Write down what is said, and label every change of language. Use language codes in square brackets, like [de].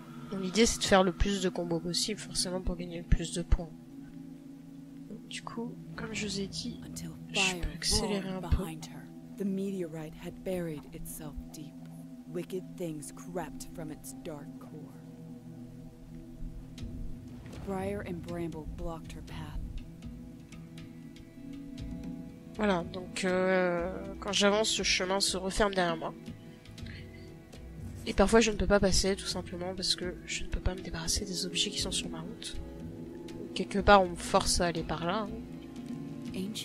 [fr] Bon, l'idée c'est de faire le plus de combos possible, forcément pour gagner le plus de points. Donc, du coup, comme je vous ai dit, je peux accélérer un peu. [en] The meteorite had buried itself deep. Wicked things crept from its dark core. Briar and bramble blocked her path. [fr] Voilà, donc quand j'avance, le chemin se referme derrière moi. Et parfois, je ne peux pas passer, tout simplement, parce que je ne peux pas me débarrasser des objets qui sont sur ma route. Quelque part, on me force à aller par là. Hein.